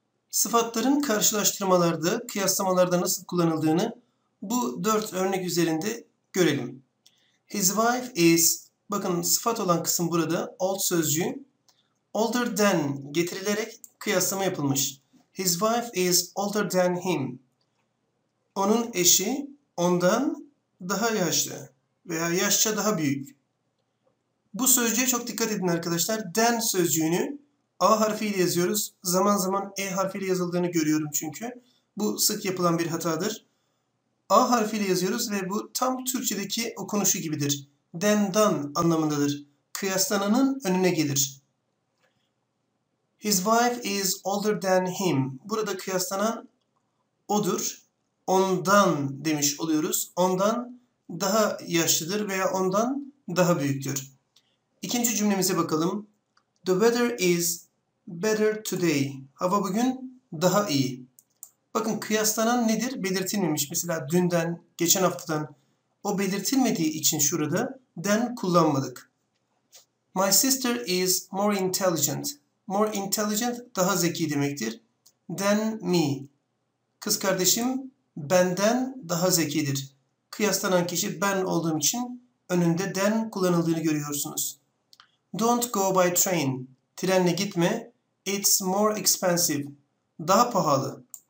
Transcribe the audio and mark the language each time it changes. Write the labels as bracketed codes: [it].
[tr] Sıfatların karşılaştırmalarda, kıyaslamalarda nasıl kullanıldığını bu dört örnek üzerinde görelim. [en] His wife is, [tr] bakın sıfat olan kısım burada, old sözcüğü, [en] older than [tr] getirilerek kıyaslama yapılmış. [en] His wife is older than him. [tr] Onun eşi ondan daha yaşlı veya yaşça daha büyük. Bu sözcüğe çok dikkat edin arkadaşlar. Than sözcüğünü A harfiyle yazıyoruz. Zaman zaman E harfiyle yazıldığını görüyorum çünkü. Bu sık yapılan bir hatadır. A harfiyle yazıyoruz ve bu tam Türkçedeki okunuşu gibidir. Than done anlamındadır. Kıyaslananın önüne gelir. [en] His wife is older than him. [tr] Burada kıyaslanan odur. Ondan demiş oluyoruz. Ondan daha yaşlıdır veya ondan daha büyüktür. İkinci cümlemize bakalım. [en] The weather is better today. [tr] Hava bugün daha iyi. Bakın kıyaslanan nedir? Belirtilmemiş. Mesela dünden, geçen haftadan. O belirtilmediği için şurada den kullanmadık. [en] My sister is more intelligent. More intelligent [tr] daha zeki demektir. [en] Than me. [tr] Kız kardeşim benden daha zekidir. Kıyaslanan kişi ben olduğum için önünde than kullanıldığını görüyorsunuz. [en] Don't go by train. [tr] Trenle gitme. [en] It's more expensive. [tr] Daha pahalı.